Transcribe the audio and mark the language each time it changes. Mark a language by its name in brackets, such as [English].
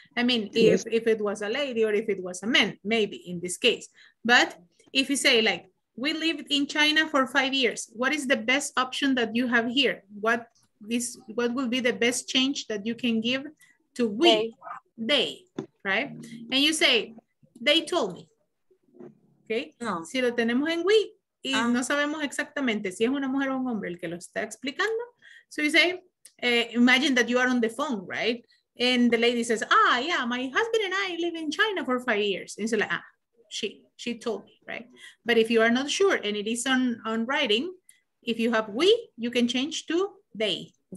[English] I mean, if it was a lady or if it was a man, maybe in this case. But if you say like, we lived in China for 5 years, what is the best option that you have here? What will be the best change that you can give to we, they, right? And you say, they told me. Okay, no. [Spanish] Si lo tenemos en we, y no sabemos exactamente si es una mujer o un hombre el que lo está explicando. [English] So you say, imagine that you are on the phone, right? And the lady says, ah, yeah, my husband and I live in China for 5 years. And so like, ah, she told me, right? But if you are not sure and it is on writing, if you have we, you can change to they.